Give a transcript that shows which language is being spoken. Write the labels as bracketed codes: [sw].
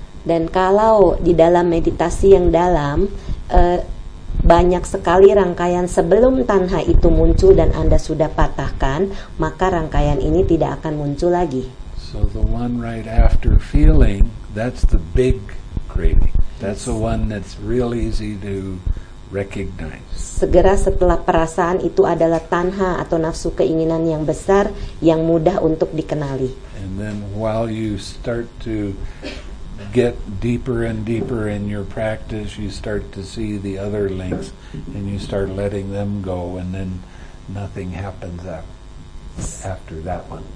[id] Dan kalau di dalam meditasi yang dalam, banyak sekali rangkaian sebelum tanha itu muncul dan Anda sudah patahkan, maka rangkaian ini tidak akan muncul lagi. [en] So the one right after feeling, that's the big craving. That's the one that's real easy to recognize. [id] Segera setelah perasaan itu adalah tanha atau nafsu keinginan yang besar yang mudah untuk dikenali. [en] And then while you start to get deeper and deeper in your practice, you start to see the other links and you start letting them go, and then nothing happens after that one.